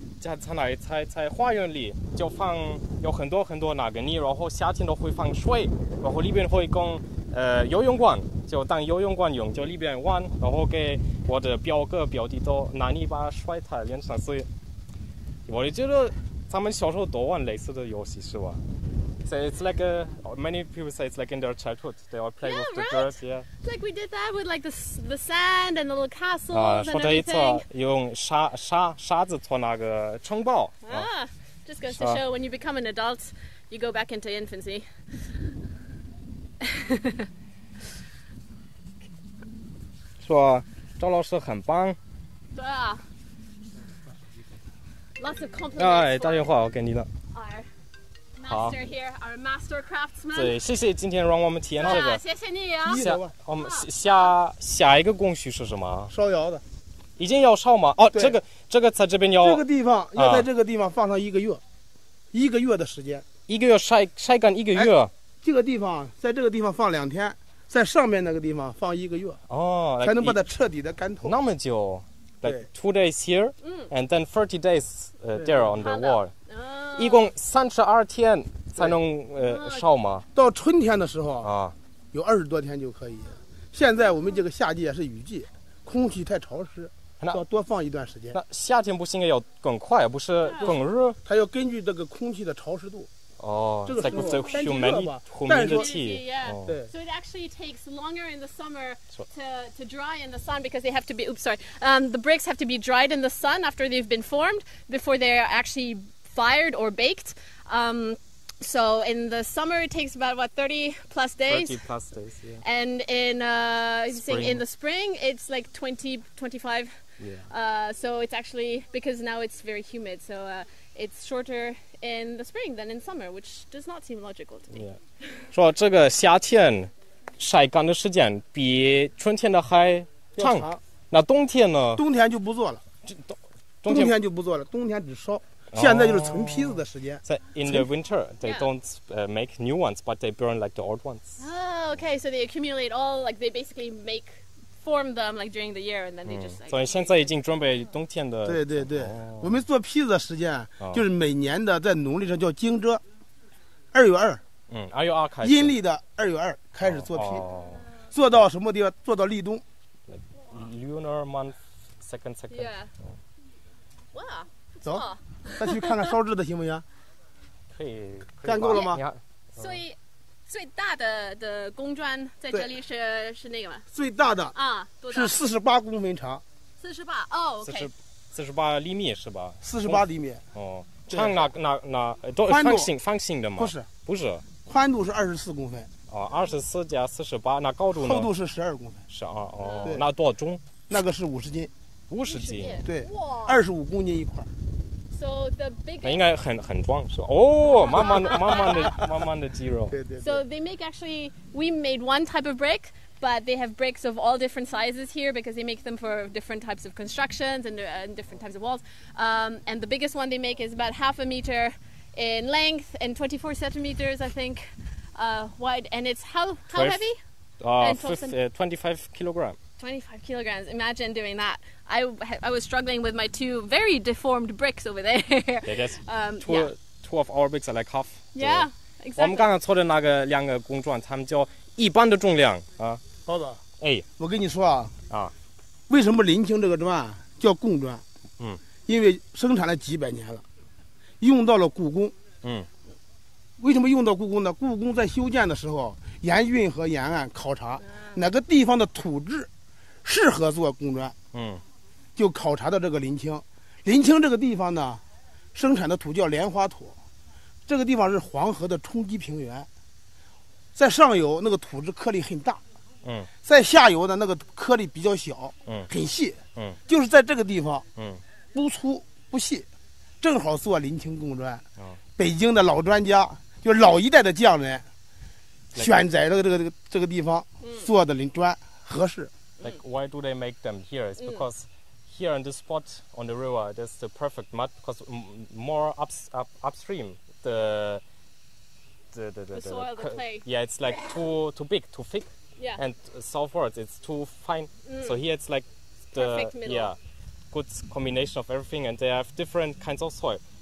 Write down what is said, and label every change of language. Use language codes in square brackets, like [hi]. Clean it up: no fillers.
[zh] 在花园里就放有很多很多那个泥，然后夏天都会放水，然后里边会供游泳馆，就当游泳馆用，就里边玩，然后给我的表哥表弟都拿泥巴摔他脸上，所以我觉得咱们小时候都玩类似的游戏是吧？ [en] So it's like many people say it's like in their childhood they all play yeah, with the、 right. girls, yeah. It's like we did that with like the sand and the little castles and everything. [zh] 说这一次用沙子做那个城堡。 [en] Just goes to show when you become an adult, you go back into infancy. [zh] So, 赵老师很棒。对啊。 [en] Lots of compliments. [zh] 打电话我给你了。 [en] Are nice. master here, our master craftsman. [zh] 对，谢谢今天让我们体验这个。谢谢你啊。下，我们下一个工序是什么？烧窑的。已经要烧吗？哦，这个在这边要。这个地方要在这个地方放上一个月，一个月的时间。一个月晒干一个月。这个地方在这个地方放两天，在上面那个地方放一个月。哦，才能把它彻底的干透。那么久。 [en] Like 2 days here, and then 30 days there on the wall. [zh] 一共32天才能烧吗？到春天的时候啊，有20多天就可以。现在我们这个夏季也是雨季，空气太潮湿，要多放一段时间。那夏天不是应该要更快，不是更热？它要根据这个空气的潮湿度。哦，这个是天气热嘛？ [en] humidity, yeah. So it actually takes longer in the summer to dry in the sun because they have to be. Oops, sorry. The bricks have to be dried in the sun after they've been formed before they are actually fired or baked. So in the summer it takes about what 30 plus days. 30 plus days, yeah. And in the spring it's like 20-25. Yeah. So it's actually because now it's very humid, so it's shorter. In the spring than in summer, which does not seem logical to me. Yeah. [zh] 说这个夏天晒干的时间比春天的还长。那冬天呢？冬天就不做了。冬天就不做了，冬天只烧。现在就是成坯子的时间。 [en] 在 in the winter, they don't make new ones, but they burn like the old ones. Oh, okay. So they accumulate all, like they basically make form them like during the year, and then they just like. [zh] 所以现在已经准备冬天的。对对对。我们做坯子的时间就是每年的在农历上叫惊蛰，2月2， 2月2开始，阴历的2月2开始做坯，做到什么地方？做到立冬。 [en] Lunar month second. Yeah. Wow. [zh] 走，再去看看烧制的行不行？可以。干够了吗？所以最大的工砖在这里是那个吗？最大的啊，是48公分长。 48哦 ，OK。 48厘米是吧？ 48厘米。哦，长那都方形的吗？不是，宽度是24公分。哦，24加48，那高度呢？厚度是12公分。是啊，哦，那多重？那个是50斤。 50斤。对，25公斤一块。 [en] So the big. [zh] 那应该很壮是吧？哦、oh, ，慢慢的肌肉。对对。 [en] So they make actually, we made one type of brick. But they have bricks of all different sizes here because they make them for different types of constructions and different types of walls. And the biggest one they make is about 0.5 meters in length and 24 centimeters, I think, wide. And it's how heavy? 25 kilograms. 25 kilograms. Imagine doing that. I was struggling with my two very deformed bricks over there. two of our bricks are like half. Yeah, exactly. [zh] 我们刚刚做的那个两个工砖，他们叫一般的重量啊。包子，哎，我跟你说啊，啊，为什么临清这个砖叫贡砖？嗯，因为生产了几百年了，用到了故宫。嗯，为什么用到故宫呢？故宫在修建的时候，沿运河沿岸考察哪个地方的土质适合做贡砖。嗯，就考察到这个临清。临清这个地方呢，生产的土叫莲花土，这个地方是黄河的冲积平原，在上游那个土质颗粒很大。嗯，在下游的那个颗粒比较小，嗯，很细，嗯，就是在这个地方，嗯，不粗不细，正好做临清贡砖。嗯，北京的老专家，就是老一代的匠人，选在了这个地方做的临砖合适。 [en] Like why do they make them here? It's because here in this spot on the river, that's the perfect mud because more upstream the soil, the clay. Yeah, it's like too big, too thick. Yeah. And southwards, it's too fine. So here it's like the good combination of everything, and they have different kinds of soil.